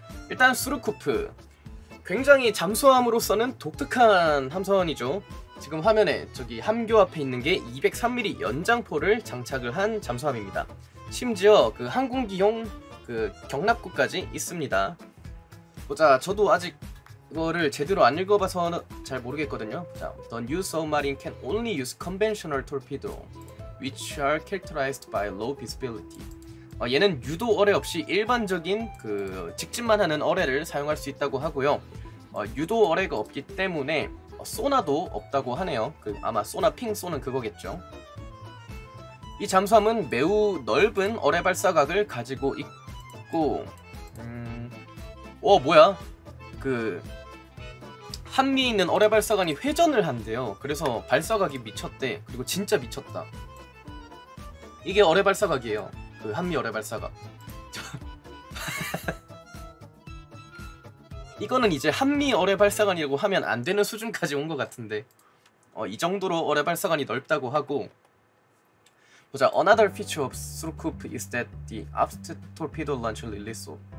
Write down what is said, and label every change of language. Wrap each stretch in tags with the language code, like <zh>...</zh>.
<ko>일단 수르쿠프, 굉장히 잠수함으로서는 독특한 함선이죠. 지금 화면에 저기 함교 앞에 있는 게 203mm 연장포를 장착을 한 잠수함입니다. 심지어 그 항공기용 그 격납구까지 있습니다. 보자, 저도 아직 이거를 제대로 안 읽어봐서 잘 모르겠거든요.</ko> <en>자, The new submarine can only use conventional torpedo, which are characterized by low visibility.</en> <ko>얘는 유도 어뢰 없이 일반적인 그 직진만 하는 어뢰를 사용할 수 있다고 하고요. 유도 어뢰가 없기 때문에 소나도 없다고 하네요. 그 아마 소나 핑 쏘는 그거겠죠. 이 잠수함은 매우 넓은 어뢰 발사각을 가지고 있고, 뭐야? 그 한미에 있는 어뢰 발사관이 회전을 한대요. 그래서 발사각이 미쳤대. 그리고 진짜 미쳤다. 이게 어뢰 발사각이에요. 그 한미 어뢰 발사각. 이거는 이제 한미 어뢰 발사관이라고 하면 안 되는 수준까지 온 것 같은데. 이 정도로 어뢰 발사관이 넓다고 하고. 보자.</ko> <en>Another feature of Surkup is that the aft torpedo launcher release.</en>